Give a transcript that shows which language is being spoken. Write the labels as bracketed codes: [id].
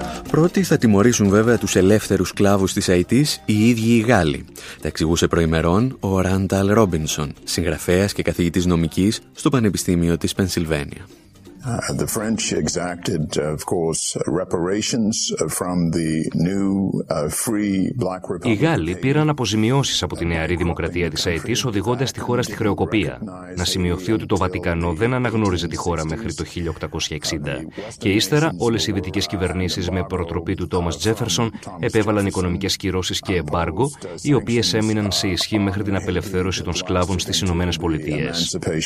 [el] Πρώτοι θα τιμωρήσουν βέβαια τους ελεύθερους σκλάβους της Αϊτής οι ίδιοι οι Γάλλοι. Τα εξηγούσε προημερών ο Ράνταλ Ρόμπινσον, συγγραφέας και καθηγητής νομικής στο Πανεπιστήμιο της Πενσιλβένια. [en] The French exacted, of course, reparations from the new free black republic. [el] Οι Γάλλοι πήραν αποζημιώσεις από τη νεαρή δημοκρατία της Αϊτής, οδηγώντας τη χώρα στη χρεοκοπία. Να σημειωθεί ότι το Βατικανό δεν αναγνώριζε τη χώρα μέχρι το 1860. Και ύστερα, όλες οι δυτικές κυβερνήσεις, με προτροπή του Τόμας Τζέφερσον, επέβαλαν οικονομικές κυρώσεις και εμπάργκο, οι οποίες έμειναν σε ισχύ μέχρι την απελευθέρωση των σκλάβων στις Ηνωμένες Πολιτείες.